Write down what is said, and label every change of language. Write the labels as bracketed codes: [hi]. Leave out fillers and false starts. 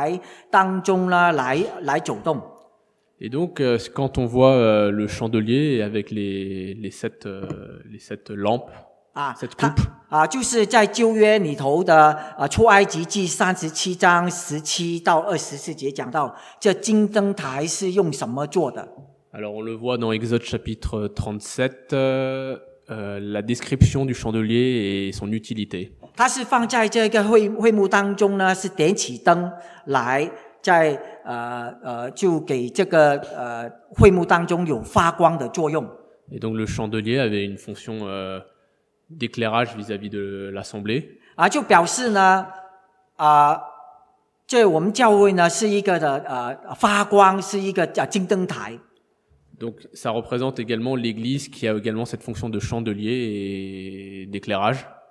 [zh] 所以呢，这一章的开始呢，就讲到呢，这一组呢，就在这个七个金灯台当中呢，来走动。 [fr] Et donc, quand on voit le chandelier avec les sept lampes, cette coupe, [zh] 就是在旧约里头的出埃及记37章17到24节讲到这金灯台是用什么做的。 [fr] Alors, on le voit dans Exode chapitre 37. La description du chandelier et son utilité. [zh] 它是放在这个会幕当中呢，是点起灯来，在就给这个会幕当中有发光的作用。 [fr] Et donc le chandelier avait une fonction d'éclairage vis-à-vis de l'assemblée. [zh] 就表示呢，这我们教会呢是一个的发光，是一个金灯台。 [fr] Donc ça représente également l'église qui a également cette fonction de chandelier et d'éclairage.